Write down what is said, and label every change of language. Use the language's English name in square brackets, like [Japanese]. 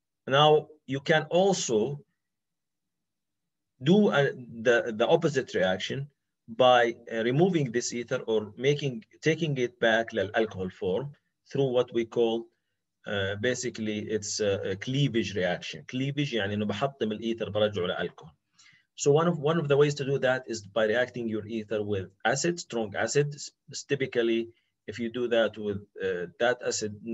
[English] Now you can also do the opposite reaction by removing this ether or taking it back to the alcohol form through what we call basically it's a cleavage reaction. [Arabic] Cleavage يعني إنه بحطم الإيثر برجعه لألكهول. [English] So one of the ways to do that is by reacting your ether with acid, strong acid. Typically, if you do that with that acid.